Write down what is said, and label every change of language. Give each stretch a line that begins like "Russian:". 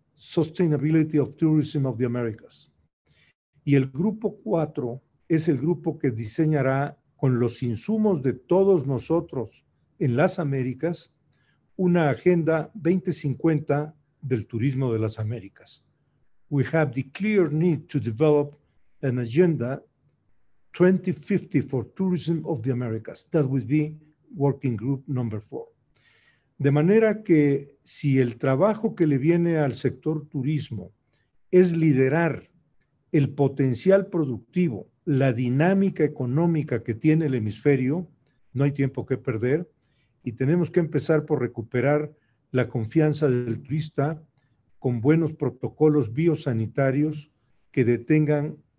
English: Sustainability of Tourism of the Americas.
Spanish: Y el grupo 4 es el grupo que diseñará, con los insumos de todos nosotros en las Américas, una agenda 2050 del turismo de las Américas.
English: We have the clear need to develop an agenda 2050 for tourism of the Americas. That would be working group number 4.
Spanish: De manera que si el trabajo que le viene al sector turismo es liderar el potencial productivo, la dinámica económica que tiene el hemisferio, no hay tiempo que perder y tenemos que empezar por recuperar la confianza del turista con buenos protocolos biosanitarios que detengan